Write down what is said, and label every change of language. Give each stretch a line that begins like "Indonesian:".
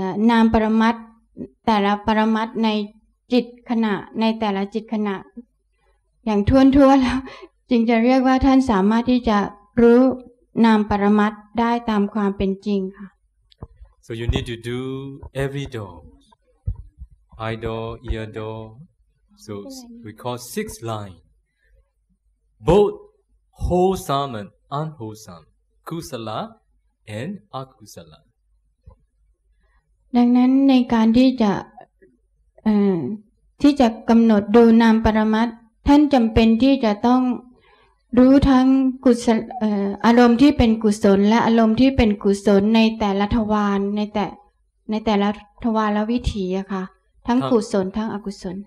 Thai: นามปรมัตถ์แต่ละปรมัตถ์ในจิตขณะในแต่ละจิตขณะอย่างทั่วแล้วจึงจะเรียกว่าท่านสามารถที่จะรู้นามปรมัตถ์ได้ตามความเป็นจริงค่ะ
English: So you need to do every door eye door ear door so we call six line both wholesome and unwholesome kusala and akusala
Thai: ดังนั้นในการที่จะที่จะกำหนดดูนามปรมัตถ์ท่านจำเป็นที่จะต้องรู้ทั้งกุศลอารมณ์ที่เป็นกุศลและอารมณ์ที่เป็นกุศลในแต่ละทวารในแต่ละทวารและวิถีอะค่ะทั้งกุศลทั้งอกุศล